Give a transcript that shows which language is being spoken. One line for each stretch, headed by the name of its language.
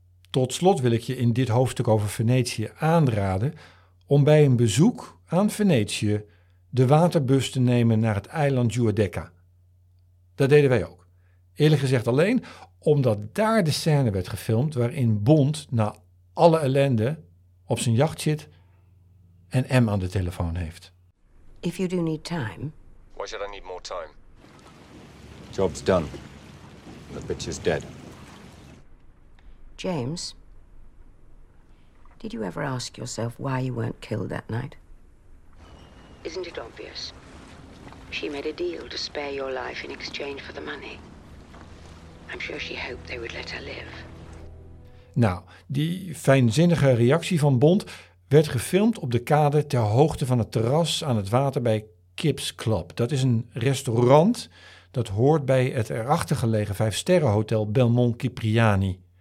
Dutch: Tot slot wil ik je in dit hoofdstuk over Venetië aanraden om bij een bezoek aan Venetië de waterbus te nemen naar het eiland Giudecca. Dat deden wij ook. Eerlijk gezegd alleen omdat daar de scène werd gefilmd waarin Bond na alle ellende op zijn jacht zit en M aan de telefoon heeft.
English: If you do need time. Why should I need more time? Job's done. The bitch is dead. James, did you ever ask yourself why you weren't killed that night? Isn't it obvious? She made a deal to spare your life in exchange for the money. I'm sure she hoped they would let her live.
Dutch: Nou, die fijnzinnige reactie van Bond werd gefilmd op de kade ter hoogte van het terras aan het water bij Kip's Club. Dat is een restaurant dat hoort bij het erachter gelegen vijfsterrenhotel Belmont Cipriani.